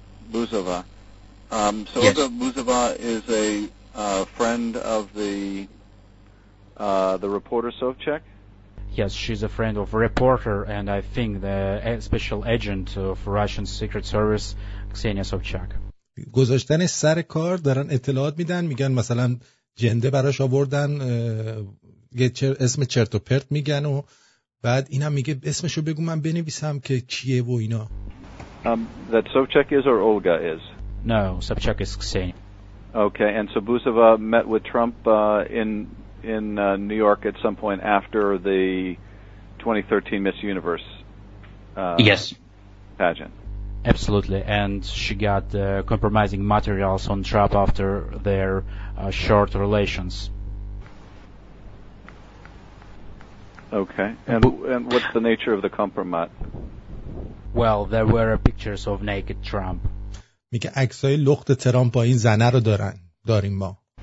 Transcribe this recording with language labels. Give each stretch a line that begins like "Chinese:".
English: Buzova. So yes. Olga Buzova is a friend of the reporter Sobchak? Yes, she's a friend of a reporter and I think the special agent of Russian Secret Service, Ksenia Sobchak.
Persian: گذاشتن سر کار دارن اطلاعات میدن میگن مثلا جنده براش آوردن اسم چرت و پرت میگن و بعد اینم میگه اسمشو بگو من بنویسم که کیه و اینا.
English: That Sobchak is or Olga is? No, Sobchak is Ksenia. Okay, and so Buzova met with Trump in New York at some point after the 2013 Miss Universe yes. pageant. Absolutely, and she got compromising materials on Trump after their short relations. Okay, and what's the nature of the compromise? Well, there were pictures of naked Trump.
Persian: میگه عکسای لخت ترامپ با این زنه رو دارن داریم ما.